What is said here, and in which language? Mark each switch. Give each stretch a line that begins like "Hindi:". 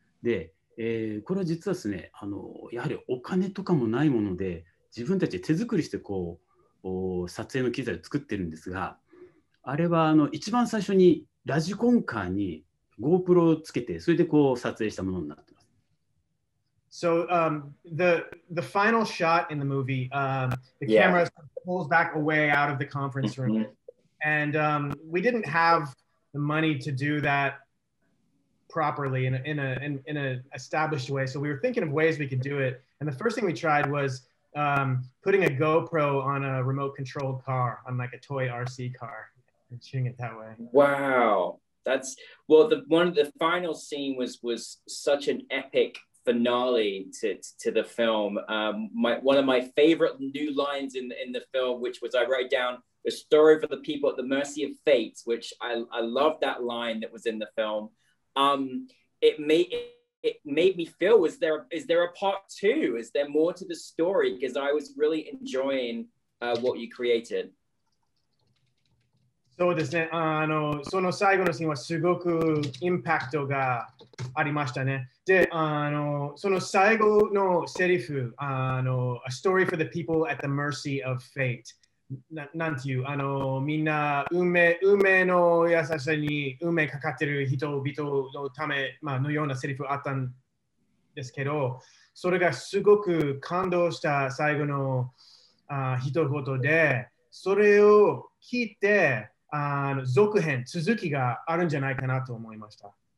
Japanese: で、これは実はですね、やはりお金とかもないもので自分たちで手作りしてこう撮影の機材を作ってるんですが、あれは一番最初にラジコンカーに GoPro をつけてそれでこう撮影したものになってます。
English: So the final shot in the movie, the camera pulls back away out of the conference room. And we didn't have the money to do that properly in an established way. So we were thinking of ways we could do it. And the first thing we tried was putting a GoPro on a remote controlled car, on like a toy RC car, and shooting it that way. Wow. That's, well, the final scene was such an epic finale to the film. One of my favorite new lines in the film, which was I write down the story for the people at the mercy of fate, which I love that line that was in the film. It made me feel, is there a part two? Is there more to the story? Because I was really enjoying what you created.
Japanese: そうですね。その最後のシーンはすごくインパクトがありましたね。で、その最後のセリフ、
English: A story for the people at the mercy of fate。
Japanese: なんていう、みんな運命の優しさに運命かかってる人々のため、まあのようなセリフあったんですけど、それがすごく感動した最後の一言で、それを聞いて、続編、続きがあるんじゃないかなと思いました。